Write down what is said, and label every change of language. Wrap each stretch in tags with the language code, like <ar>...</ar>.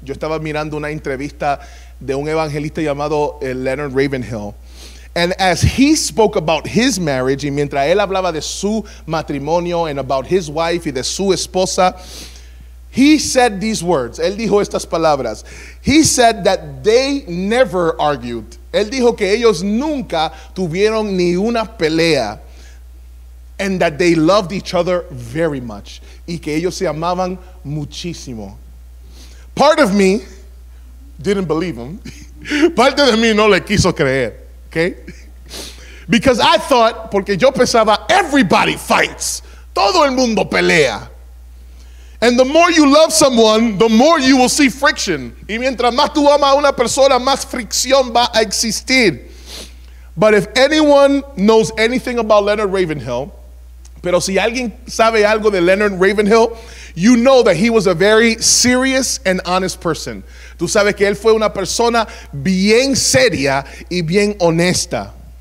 <es>Yo estaba mirando una entrevista de un evangelista llamado Leonard Ravenhill.</es> <en>And as he spoke about his marriage,</en> <es>y mientras él hablaba de su matrimonio</es> <en>and about his wife</en> <es>y de su esposa,</es> <en>he said these words.</en> <es>Él dijo estas palabras.</es> <en>He said that they never argued.</en> <es>Él dijo que ellos nunca tuvieron ni una pelea.</es> <en>And that they loved each other very much.</en> <es>Y que ellos se amaban muchísimo.</es> <en>Part of me didn't believe him.</en> <es>Parte de mí no le quiso creer.</es> <en>Okay? Because I thought,</en> <es>porque yo pensaba,</es> <en>everybody fights.</en> <es>Todo el mundo pelea.</es> <en>And the more you love someone, the more you will see friction.</en> <es>Y mientras más tú amas a una persona, más fricción va a existir.</es> <en>But if anyone knows anything about Leonard Ravenhill,</en> <es>pero si alguien sabe algo de Leonard Ravenhill,</es> <en>you know that he was a very serious and honest person.</en> <es>Tú sabes que él fue una persona bien seria y bien honesta.</es>